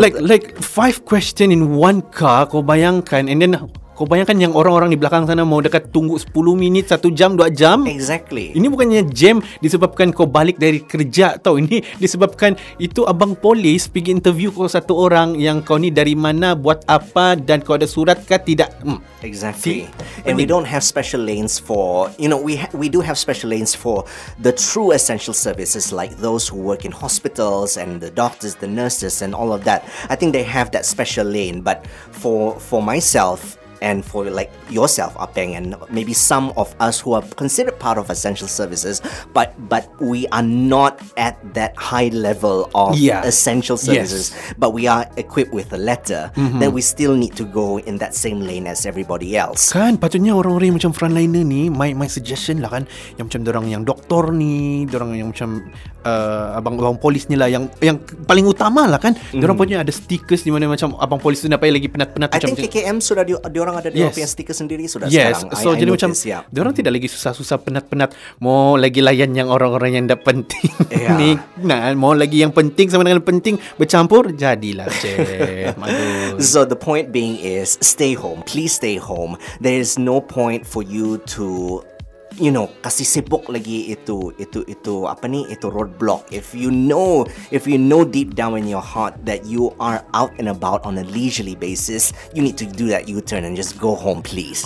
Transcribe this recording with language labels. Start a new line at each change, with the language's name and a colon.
English: like 5 question in one car.
Malay: Kau bayangkan,
English: and then
Malay: kau bayangkan yang orang-orang di belakang sana mau dekat tunggu 10 minit, 1 jam, 2 jam.
English: Exactly.
Malay: Ini bukannya jam disebabkan kau balik dari kerja tau. Ini disebabkan itu abang polis pergi interview kau satu orang yang kau ni dari mana, buat apa, dan kau ada surat ke tidak.
English: Exactly. See? And we don't have special lanes for, you know, we do have special lanes for the true essential services, like those who work in hospitals and the doctors, the nurses and all of that. I think they have that special lane. But for myself, and for like yourself, Apeng, and maybe some of us who are considered part of essential services, but we are not at that high level of essential services, but we are equipped with a letter, then we still need to go in that same lane as everybody else.
Malay: Kan, patutnya orang-orang macam frontliner ni,
English: my suggestion
Malay: lah kan, yang macam dorang yang doktor ni, dorang yang macam abang-abang polis ni lah, yang paling utama lah kan, dorang punya ada stickers di mana macam abang polis tu nak payah lagi penat-penat. I think KKM sudah diorang ada dia punya stiker sendiri sudah sekarang. So jadi macam dia orang tidak lagi susah-susah penat-penat mau lagi layan yang orang-orang yang tak penting. Ni nah, mau lagi yang penting sama dengan penting bercampur, jadilah je.
English: So the point being is, stay home, please stay home. There is no point for you to, you know,
Malay: kasih sibuk lagi itu apa ni, itu roadblock.
English: If you know deep down in your heart that you are out and about on a leisurely basis, you need to do that U-turn and just go home, please.